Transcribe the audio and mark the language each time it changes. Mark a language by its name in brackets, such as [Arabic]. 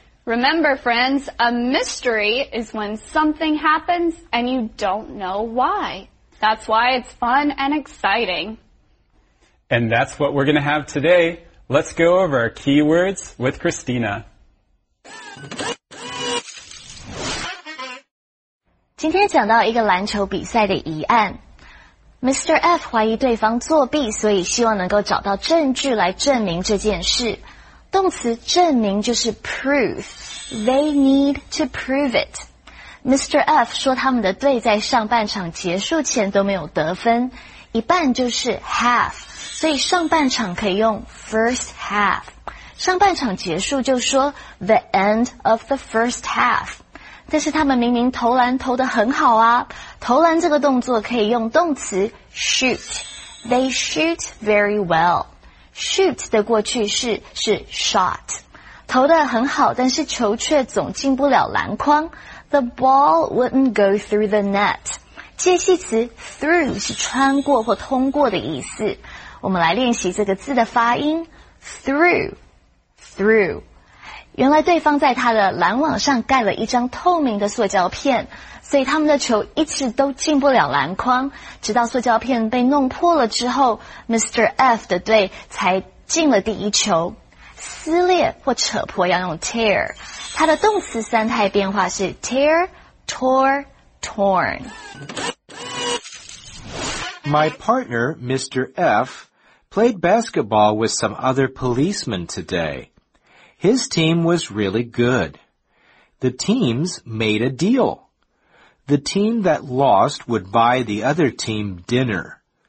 [English] Remember, friends, a mystery is when something happens and you don't know why. That's why it's fun and exciting. And that's what we're going to have today. Let's go over our keywords with Christina. [Chinese] 今天讲到一个篮球比赛的疑案。 [English] Mr. [Chinese] F 怀疑对方作弊，所以希望能够找到证据来证明这件事。动词证明就是 prove. [English] They need to prove it. Mr. [Chinese] F 说他们的队在上半场结束前都没有得分，一半就是 half. 所以上半场可以用 [English] first half. [Chinese] 上半场结束就说 [English] the end of the first half. [Chinese] 但是他们明明投篮投得很好啊，投篮这个动作可以用动词 shoot. [English] They shoot very well. Shoot [Chinese] 的过去式是 [English] shot. [Chinese] 投得很好，但是球却总进不了篮筐。 [English] The ball wouldn't go through the net. [Chinese] 介系词 through 是穿过或通过的意思。我们来练习这个字的发音。 [English] Through, through. [Chinese] 原来对方在他的篮网上盖了一张透明的塑胶片，所以他们的球一直都进不了篮筐，直到塑胶片被弄破了之后 ，Mr. F 的队才进了第一球。撕裂或扯破要用 tear， 它的动词三态变化是 tear、tore、torn。 [English] My partner, Mr. F, played basketball with some other policemen today. His team was really good. The teams made a deal. The team that lost would buy the other team dinner.